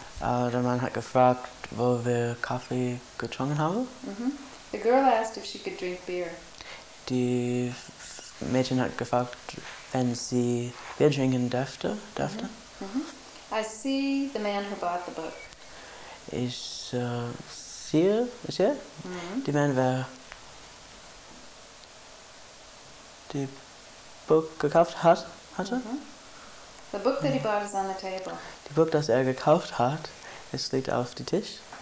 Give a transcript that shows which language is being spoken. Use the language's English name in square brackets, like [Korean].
[German] Der Mann hat gefragt, wo wir Kaffee getrunken haben. Mm-hmm. [English] The girl asked if she could drink beer. [German] Die Mädchen hat gefragt, wenn sie Bier trinken dürfte. Mm-hmm. [English] Mm-hmm. I see the man who bought the book. [German] Ich sehe, mm-hmm. Die Mann wer die Buch gekauft hatte. Mm-hmm. [English] The book that he bought is on the table. [German] Die Buch, das er gekauft hat, es liegt auf dem Tisch.